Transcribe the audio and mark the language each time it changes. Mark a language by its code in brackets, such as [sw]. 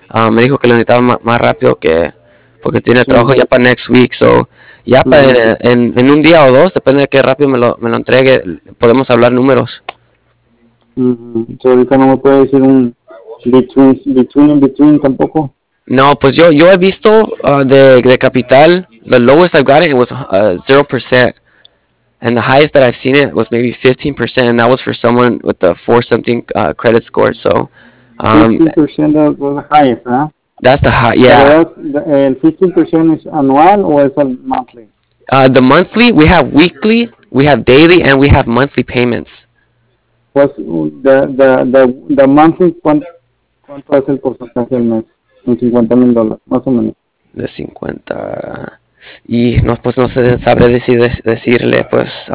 [es] Me dijo que lo necesitaba más rápido, que porque tiene trabajo ya para [en] next week, [es] so ya para en un día o dos, depende de qué rápido me lo entregue, podemos hablar números. Ahorita no me puede decir un between tampoco. No, pues yo he visto de capital, [en] the lowest I've gotten was 0%, and the highest that I've seen it was maybe 15%, and that was for someone with a 4-something credit score, so... 15% was the highest, huh? That's the high, yeah. And 15% is annual or is it monthly? The monthly, we have weekly, we have daily, and we have monthly payments. What's the monthly, [es] ¿cuánto es el porcentaje al mes? De 50 mil dólares, más o menos. De 50. Y no, pues no sé, sabré decirle, pues.